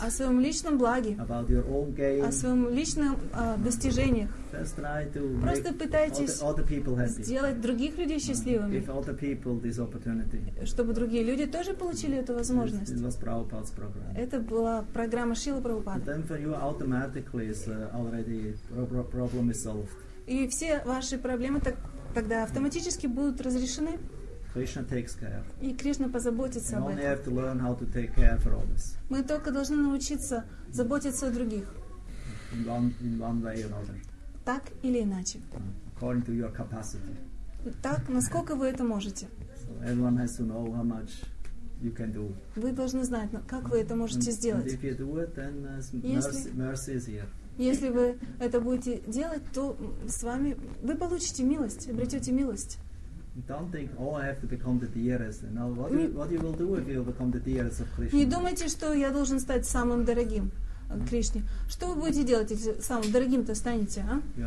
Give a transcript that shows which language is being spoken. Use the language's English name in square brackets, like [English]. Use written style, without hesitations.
[Russian] о своем личном благе. [English] About your own gain, [Russian] о своем личном достижениях. [English] Just try to [Russian] просто пытайтесь [English] other [Russian] сделать других людей счастливыми. [English] Give other people this opportunity. [Russian] Чтобы другие люди тоже получили эту возможность. [English] It was Prabhupada's program. [Russian] Это была программа Шрилы Прабхупады. [English] Then for you automatically is already problem is solved. [Russian] И все ваши проблемы тогда автоматически будут разрешены. [English] Krishna takes care. [Russian] И Кришна позаботится [English] and [Russian] об этом. [English] Only have to learn how to take care for others. [Russian] Мы только должны научиться заботиться о других. [English] In one way or another. [Russian] Так или иначе. [English] According to your capacity. [Russian] Так, насколько вы это можете. [English] Everyone has to know how much you can do. [Russian] Вы должны знать, как вы это можете сделать. [English] If you do it, then mercy is here. [Russian] Если вы это будете делать, то с вами вы получите милость, обретете милость. [English] Don't think, oh, I have to become the dearest. Now, what you will do if you become the dearest of Krishna? [Russian] Не думайте, что я должен стать самым дорогим Кришне. Что вы будете делать, если самым дорогим-то станете, а?